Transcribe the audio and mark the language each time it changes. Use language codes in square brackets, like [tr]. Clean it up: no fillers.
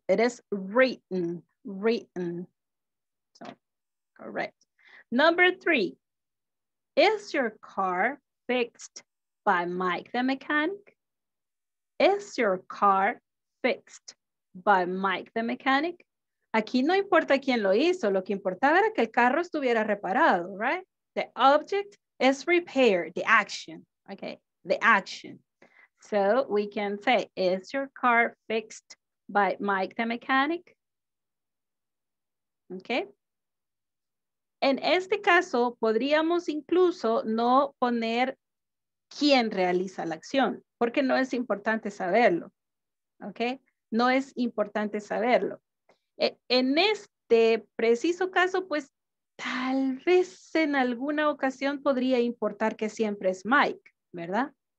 [en] It is written, written. So, correct. Number three, is your car fixed by Mike the mechanic? Is your car fixed by Mike the mechanic? [es] Aquí no importa quién lo hizo, lo que importaba era que el carro estuviera reparado, right? [en] The object is repaired, the action, okay, the action. So we can say, is your car fixed by Mike the mechanic? Okay. [es] En este caso, podríamos incluso no poner quién realiza la acción, porque no es importante saberlo, okay? No es importante saberlo. En este preciso caso, pues tal vez en alguna ocasión podría importar que siempre es Mike, ¿verdad?